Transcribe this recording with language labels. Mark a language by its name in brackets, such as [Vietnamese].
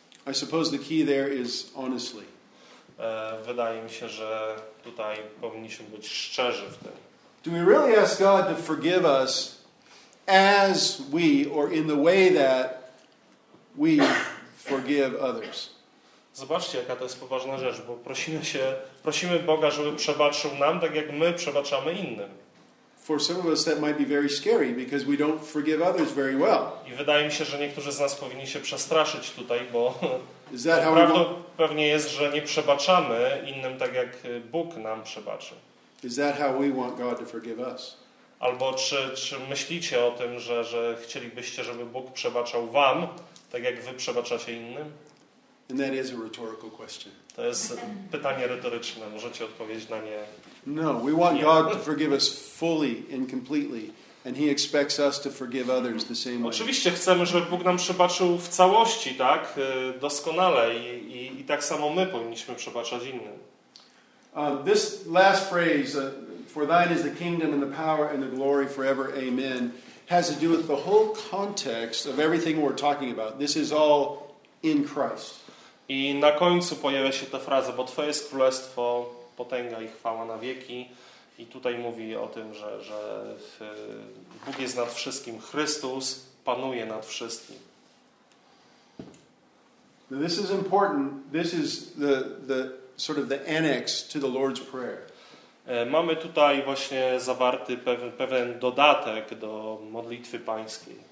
[English] I suppose the key there is honestly. [Polish] Wydaje mi się, że tutaj powinniśmy być szczerzy w tym. [English] Do we really ask God to forgive us as we or in the way that we forgive others? [Polish] Zobaczcie, jaka to jest poważna rzecz, bo prosimy Boga, żeby przebaczył nam tak jak my przebaczamy innym. [English] For some of us that might be very scary because we don't forgive others very well. [Polish] I wydaje mi się, że niektórzy z nas powinni się przestraszyć tutaj, bo prawdą pewnie jest, że nie przebaczamy innym tak jak Bóg nam przebaczy. [English] Is that how we want God to forgive us? [Polish] Albo czy myślicie o tym, że chcielibyście, żeby Bóg przebaczał wam tak jak wy przebaczacie innym? [English] And that is a rhetorical question. [Polish] To jest pytanie retoryczne. Możecie odpowiedzieć na nie. [English] No, we want God to forgive us fully and completely, and he expects us to forgive others the same way. [Polish] Oczywiście chcemy, żeby Bóg nam przebaczył w całości, tak? Doskonale i tak samo my powinniśmy przebaczać innym. [English] This last phrase, for thine is the kingdom and the power and the glory forever, amen, has to do with the whole context of everything we're talking about. This is all in Christ. [Polish] I na końcu pojawia się ta fraza, bo twoje jest królestwo, potęga i chwała na wieki. I tutaj mówi o tym, że Bóg jest nad wszystkim. Chrystus panuje nad wszystkim. [English] This is important. This is the sort of the annex to the Lord's Prayer. [Polish] Mamy tutaj właśnie zawarty pewien dodatek do modlitwy pańskiej.